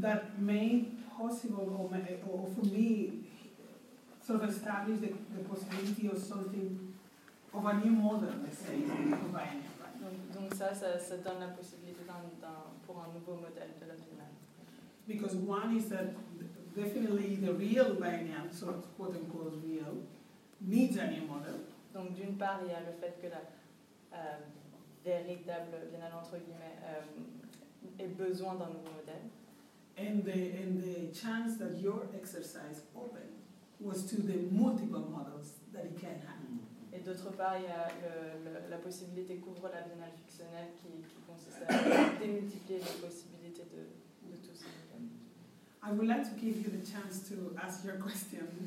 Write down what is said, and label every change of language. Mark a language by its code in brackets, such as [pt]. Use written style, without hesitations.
[en] That made possible, or for me, sort of established the possibility of something of a new model, let's say, in [fr] Donc ça donne la possibilité pour un nouveau modèle de la Biennale. [en] Because one is that definitely the real Biennale, so quote unquote real, needs a new model. [fr] Donc d'une part il y a le fait que la véritable Biennale entre guillemets ait besoin d'un nouveau modèle. [en] And the chance that your exercise opened was to the multiple models that it can have. [fr] Et d'autre part il y a la possibilité qu'ouvre la Biennale fictionnelle qui consiste à démultiplier les possibilités de tout ça. [en] I would like to give you the chance to ask your question.